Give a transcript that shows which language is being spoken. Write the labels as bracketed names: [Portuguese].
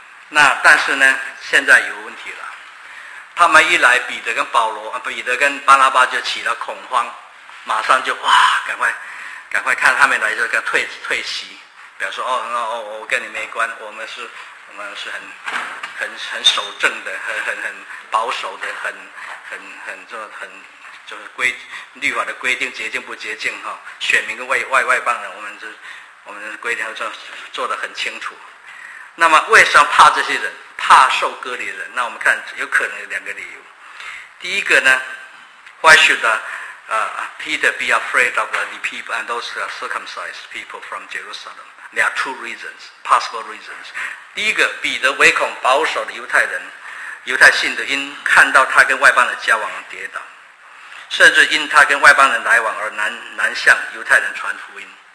[Chinese] 那但是呢，现在有问题了，他们一来彼得跟巴拿巴就起了恐慌，马上就哇赶快看他们来这个退席，表示说哦，我跟你没关，我们是很守正的，很保守的，很就是规律法的规定，洁净不洁净哈、哦，选民跟外邦人，我们规定做得很清楚。那么为什么怕这些人，怕受割礼的人？那我们看有可能有两个理由。第一个呢 [English] ，Why should Peter be afraid of the people and those circumcised people from Jerusalem? There are two reasons, possible reasons. [Chinese] 第一个，彼得唯恐保守的犹太人、犹太信徒因看到他跟外邦人交往而跌倒，甚至因他跟外邦人来往而难向犹太人传福音。